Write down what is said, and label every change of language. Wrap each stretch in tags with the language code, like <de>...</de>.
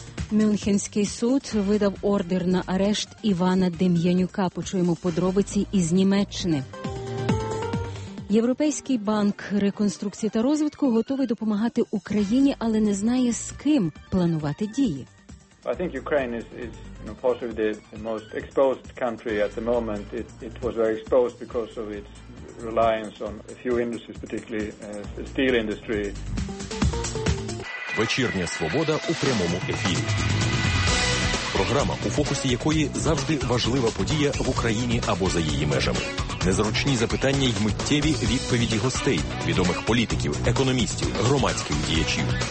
<uk>Мюнхенський суд видав ордер на арешт Івана Дем'янюка. Почуємо подробиці із Німеччини. Європейський банк реконструкції та розвитку готовий допомагати Україні, але не знає, з ким планувати дії.</uk> <en>I think Ukraine is possibly the most exposed country at the moment. It was very exposed because of its reliance on a few industries, particularly the steel industry.</en> <uk>Вечірня свобода у прямому ефірі. Програма, у фокусі якої завжди важлива подія в Україні або за її межами. Незручні запитання й миттєві відповіді гостей, відомих політиків, економістів, громадських діячів.</uk>